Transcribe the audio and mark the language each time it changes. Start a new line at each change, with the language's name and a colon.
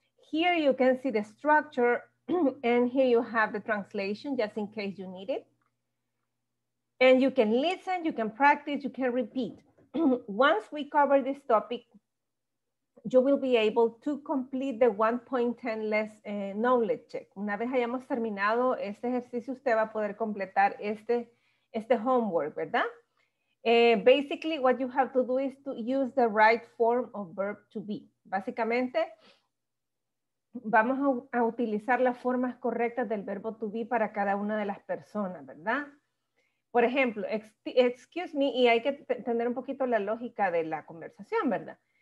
English: Here you can see the structure and here you have the translation just in case you need it. And you can listen, you can practice, you can repeat. Once we cover this topic, you will be able to complete the 1.10 less knowledge check.
Spanish: Una vez hayamos terminado este ejercicio, usted va a poder completar este homework, ¿verdad?
English: Basically, what you have to do is to use the right form of verb to be.
Spanish: Básicamente, vamos a utilizar las formas correctas del verbo to be para cada una de las personas, ¿verdad? Por ejemplo,
English: excuse me,
Spanish: y hay que tener un poquito la lógica de la conversación, ¿verdad?